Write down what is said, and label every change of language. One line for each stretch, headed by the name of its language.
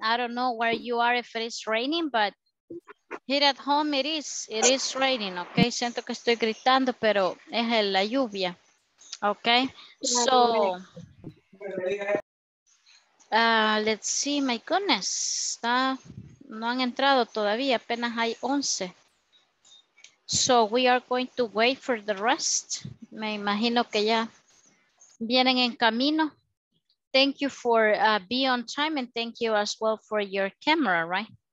English: I don't know where you are if it's raining, but here at home it is raining.
Spanish: Okay, siento que estoy gritando, pero es la lluvia.
English: Okay, so let's see. My goodness,
Spanish: está, no han entrado todavía, apenas hay 11.
English: So we are going to wait for the rest.
Spanish: Me imagino que ya vienen en camino.
English: Thank you for being on time, and thank you as well for your camera, right?